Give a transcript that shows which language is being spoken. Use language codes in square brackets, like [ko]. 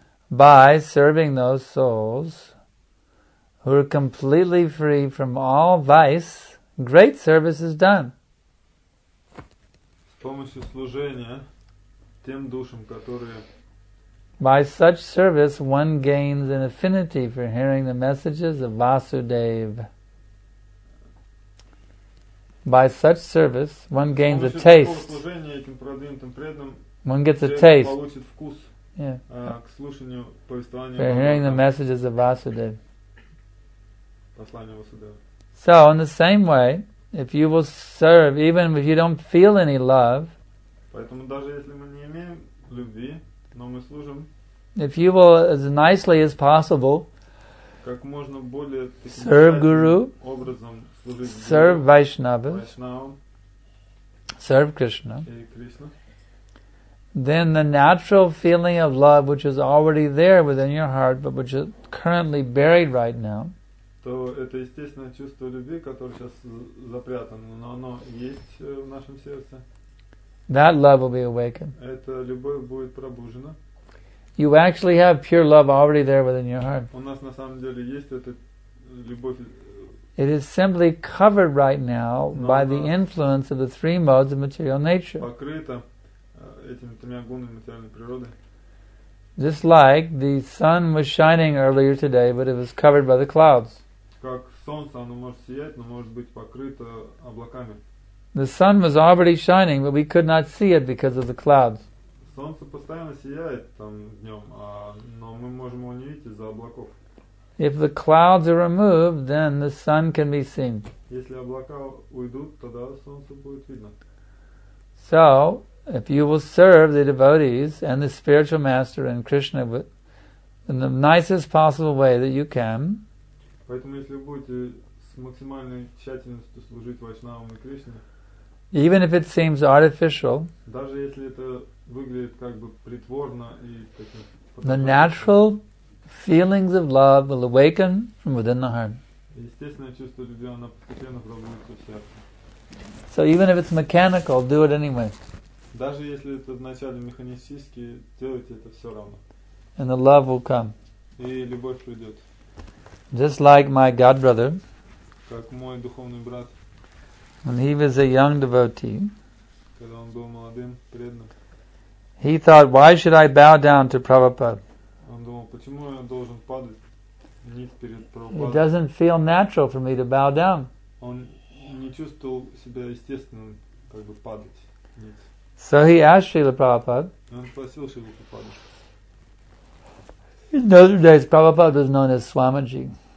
[en] By serving those souls who are completely free from all vice, great service is done. [ru] С помощью служения тем душам, которые... [en] By such service, one gains an affinity for hearing the messages of Vasudeva. By such service, one gains a taste. [ru] Служения этим продвинутым преданным, [en] one gets a taste. [ru] Получит вкус. [en] Yeah. [ru] К слушанию повествования. [en] For hearing the messages of Vasudeva. [ru] Послание Васудевы. [en] So, in the same way, if you will serve, even if you don't feel any love, [ru] поэтому даже если мы не имеем любви, но мы служим, [en] if you will, as nicely as possible, [ru] как можно более [en] serve Guru, [ru] образом служить [en] Guru, serve Vaishnava, [ru] Vaishnava, [en] serve Krishna, [ru] и Krishna, [en] then the natural feeling of love which is already there within your heart, but which is currently buried right now, [ru] то это естественное чувство любви, которое сейчас запрятано, но оно есть в нашем сердце. [en] That love will be awakened. [ru] Эта любовь будет пробуждена. [en] You actually have pure love already there within your heart. [ru] У нас на самом деле есть эта любовь. [en] It is simply covered right now by the influence of the three modes of material nature. [ru] Покрыта этими тремя гунами материальной природы. [en] Just like the sun was shining earlier today, but it was covered by the clouds. [ru] Как солнце, оно может сиять, но может быть покрыто облаками. [en] The sun was already shining, but we could not see it because of the clouds. [ru] Солнце постоянно сияет там днем, но мы можем его не видеть из-за облаков. [en] If the clouds are removed, then the sun can be seen. [ru] Если облака уйдут, тогда солнце будет видно. [en] So, if you will serve the devotees and the spiritual master and Krishna in the nicest possible way that you can, [ru] поэтому если вы будете с максимальной тщательностью служить Вайшнавам и Кришне, [en] even if it seems artificial, [ru] даже если это выглядит как бы притворно и таким, [en] the natural feelings of love will awaken from within the heart. [ru] Естественное чувство любви, оно постепенно пробудится в сердце. [en] So even if it's mechanical, do it anyway. [ru] Даже если это вначале механически, делайте это все равно. [en] And the love will come. [ru] И любовь придет. [en] Just like my god brother. [ru] Как мой духовный брат. [en] When he was a young devotee. [ru] Когда он был молодым, преданным. [en] He thought, why should I bow down to Prabhupada? [ru] Он думал, почему я должен падать ниц перед Прабхупадой? [en] It doesn't feel natural for me to bow down. [ru] Он не чувствовал себя естественным, как бы падать ниц. [en] So he asked Srila Prabhupada. [ru] Он спросил Шрилу Прабхупаду. [en] In those days, Prabhupada was known as Swamiji.